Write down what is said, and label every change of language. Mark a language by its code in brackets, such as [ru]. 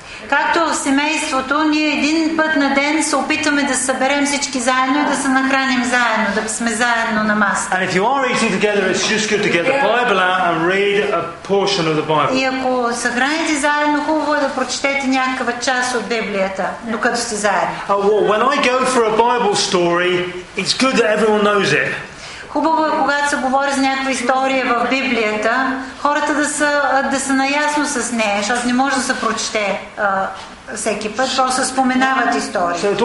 [bg] Както в семейството, ние един път на ден се опитваме да съберем всички заедно и да се нахраним заедно, да сме заедно на маса. [en] And if you are eating together, it's just good to get the Bible out and read a portion of the Bible. [bg] И ако се храните заедно, хубаво е да прочетете някаква част от Библията, докато сте заедно. [en] When I go for a Bible story, it's good that everyone knows it. [bg] Хубаво е, когато се говори за някаква история в Библията, хората да са наясно с нея, защото не може да се прочете всеки път, просто споменават истории.